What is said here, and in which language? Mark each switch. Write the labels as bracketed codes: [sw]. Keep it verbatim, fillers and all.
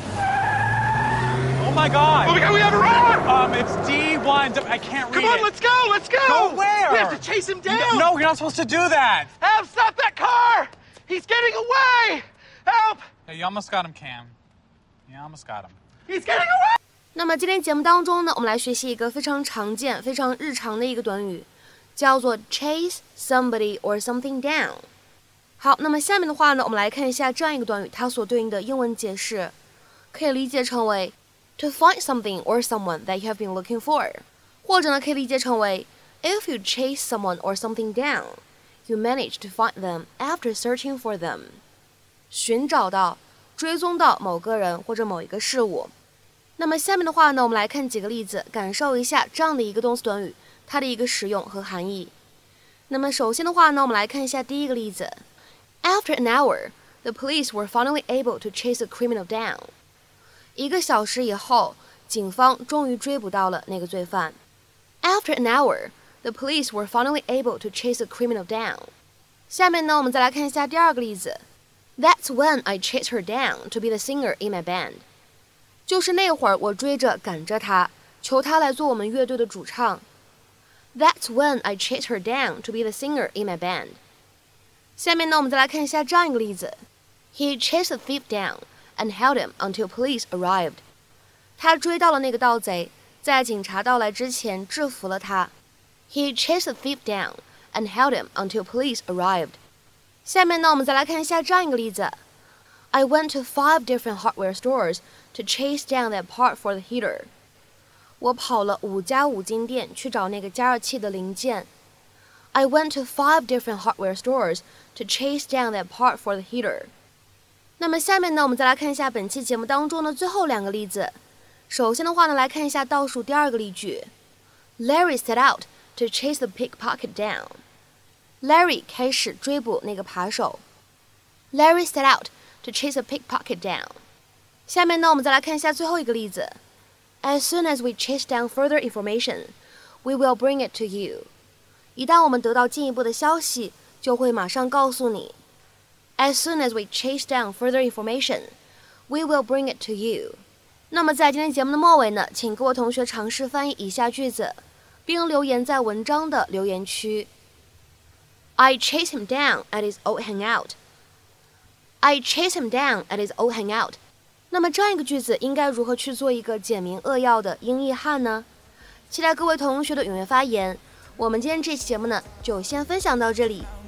[en] Oh, my God. Oh, my God, we have a runner! Um, it's D one. I can't read Come on, it. let's go, let's go! Go where? We have to chase him down. No, you're not supposed to do that. Help, stop that car! He's getting away! Help! Hey, you almost got him, Cam. You almost got him. He's getting away! [zh] 那么今天节目当中呢，我们来学习一个非常常见、非常日常的一个短语，叫做 [en] chase somebody or something down。 [zh] 好，那么下面的话呢，我们来看一下这样一个短语，它所对应的英文解释，可以理解成为 [en] to find something or someone that you have been looking for， [zh] 或者呢可以理解成为 [en] if you chase someone or something down, you manage to find them after searching for them。 [zh] 寻找到、追踪到某个人或者某一个事物。那么下面的话呢，我们来看几个例子，感受一下这样的一个动词短语它的一个使用和含义。那么首先的话呢，我们来看一下第一个例子 [en] After an hour, the police were finally able to chase the criminal down. [zh] 一个小时以后，警方终于追捕到了那个罪犯。 [en] After an hour, the police were finally able to chase the criminal down. [zh] 下面呢，我们再来看一下第二个例子 [en] That's when I chased her down to be the singer in my band. [zh] 就是那会儿我追着赶着她，求她来做我们乐队的主唱。 [en] That's when I chased her down to be the singer in my band. [zh] 下面呢，我们再来看一下这样一个例子 [en] He chased a thief down and held him until police arrived. [zh] 他追到了那个盗贼，在警察到来之前制服了他。 [en] He chased a thief down and held him until police arrived. [zh] 下面呢，我们再来看一下这样一个例子 [en] I went to five different hardware stores to chase down that part for the heater. [zh] 我跑了五家五金店去找那个加热器的零件。 [en] I went to five different hardware stores to chase down that part for the heater. [zh] 那么下面呢，我们再来看一下本期节目当中的最后两个例子。首先的话呢，来看一下倒数第二个例句 [en] Larry set out to chase the pickpocket down. [zh] Larry 开始追捕那个扒手。 [en] Larry set out. to chase a pickpocket down. [zh] 下面呢，我们再来看一下最后一个例子 [en] As soon as we chase down further information, we will bring it to you. [zh] 一旦我们得到进一步的消息，就会马上告诉你。 [en] As soon as we chase down further information, we will bring it to you. [zh] 那么在今天节目的末尾呢，请各位同学尝试翻译以下句子，并留言在文章的留言区。 [en] I chased him down at his old hangout. I chased him down at his old hangout. [zh] 那么这样一个句子应该如何去做一个简明扼要的英译汉呢？期待各位同学的踊跃发言。我们今天这期节目呢，就先分享到这里。